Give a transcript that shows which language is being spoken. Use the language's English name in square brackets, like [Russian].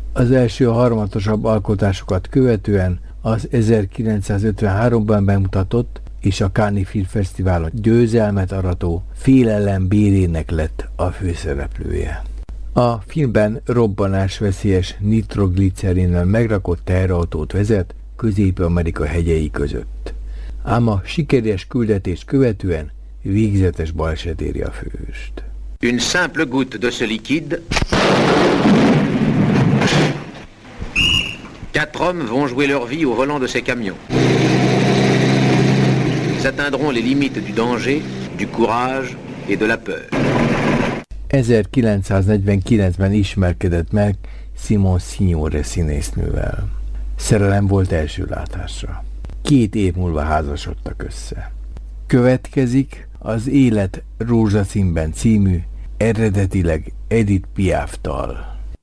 [Hungarian] Az első harmatosabb alkotásokat követően az 1953-ban bemutatott és a Cannes Film Fesztiválon győzelmet arató Félelem Bérének lett a főszereplője. A filmben robbanásveszélyes nitroglicerinnel megrakott teherautót vezet Közép-Amerika hegyei között. Ám a sikeres küldetés követően végzetes baleset éri a főhőst. [French] Une simple goutte de ce liquide. Quatre hommes vont jouer leur vie au volant de ces camions. Ils atteindront les limites du danger, du courage et de la peur. [Hungarian] 1949-ben ismerkedett meg Simon Signore színésznővel. Szerelem volt első látásra. Két év múlva házasodtak össze. Következik az Élet rózsaszínben című, eredetileg Edith Piaftól.